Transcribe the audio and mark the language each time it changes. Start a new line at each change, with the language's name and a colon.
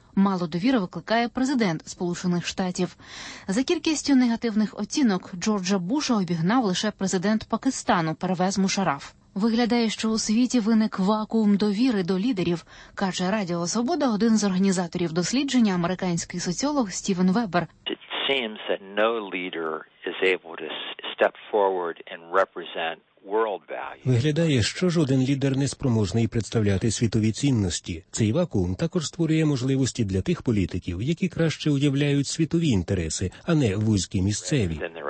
Ukrainian: Мало довіри викликає президент Сполучених Штатів. За кількістю негативних оцінок Джорджа Буша обігнав лише президент Пакистану Перевез Мушараф. Виглядає, що у світі виник вакуум довіри до лідерів, каже Радіо Свобода один з організаторів дослідження, американський соціолог Стівен Вебер.
English: It seems that no leader is able to step forward and represent world values.
Ukrainian: Виглядає, що жоден лідер не спроможний представляти світові цінності. Цей вакуум також створює можливості для тих політиків, які краще уявляють світові інтереси, а не вузькі місцеві.